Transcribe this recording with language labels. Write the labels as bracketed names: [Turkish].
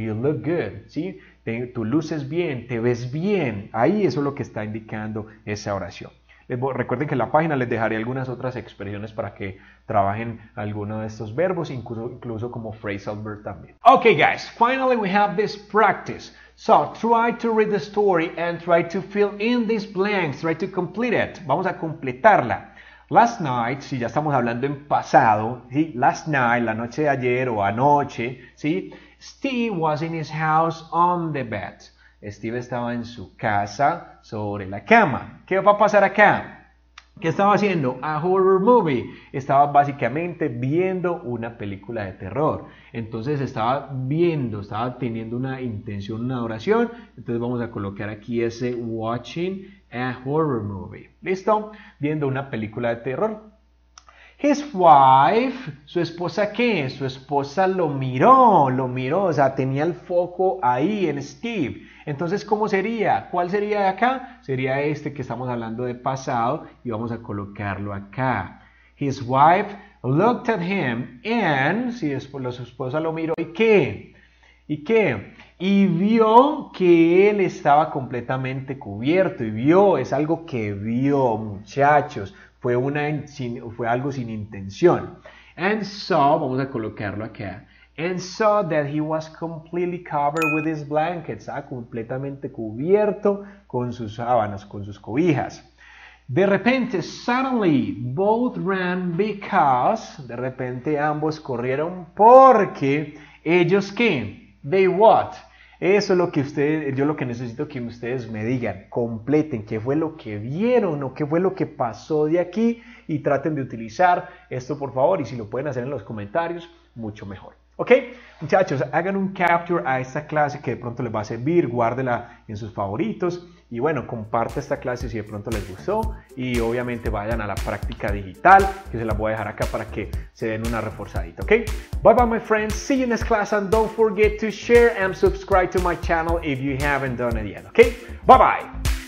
[English] You look good, [Spanish] ¿sí? Tú luces bien, te ves bien. Ahí eso es lo que está indicando esa oración. Recuerden que en la página les dejaré algunas otras expresiones para que trabajen alguno de estos verbos, incluso como phrasal verb también. [English] Okay, guys, finally we have this practice. So, try to read the story and try to fill in these blanks, try to complete it. [Spanish] Vamos a completarla. [English] Last night, [Spanish] si ya estamos hablando en pasado, ¿sí? Last night, la noche de ayer o anoche, ¿sí? [English] Steve was in his house on the bed. [Spanish] Steve estaba en su casa sobre la cama. ¿Qué va a pasar acá? ¿Qué estaba haciendo? [English] A horror movie. [Spanish] Estaba básicamente viendo una película de terror. Entonces estaba viendo, estaba teniendo una intención, una oración. Entonces vamos a colocar aquí ese [English] watching a horror movie. [Spanish] ¿Listo? Viendo una película de terror. [English] His wife, [Spanish] su esposa, ¿qué? Su esposa lo miró, o sea, tenía el foco ahí en Steve. Entonces, ¿cómo sería? ¿Cuál sería de acá? Sería este que estamos hablando de pasado y vamos a colocarlo acá. [English] His wife looked at him and, [Spanish] si después su esposa lo miró, ¿y qué? Y vio que él estaba completamente cubierto y vio, es algo que vio, muchachos. Fue algo sin intención. [English] And saw, [Spanish] vamos a colocarlo acá. [English] And saw that he was completely covered with his blankets. [Spanish] Estaba completamente cubierto con sus sábanas, con sus cobijas. De repente, [English] suddenly, both ran because. [Spanish] De repente, ambos corrieron porque. ¿Ellos qué? [English] They what? [Spanish] Eso es lo que necesito que ustedes me digan, completen qué fue lo que vieron o qué fue lo que pasó de aquí y traten de utilizar esto, por favor, y si lo pueden hacer en los comentarios, mucho mejor. ¿Ok? Muchachos, hagan un capture a esta clase que de pronto les va a servir, guárdela en sus favoritos y bueno, comparte esta clase si de pronto les gustó y obviamente vayan a la práctica digital, que se la voy a dejar acá para que se den una reforzadita, ¿ok? [English] Bye bye my friends, see you next class and don't forget to share and subscribe to my channel if you haven't done it yet, ¿ok? Bye bye!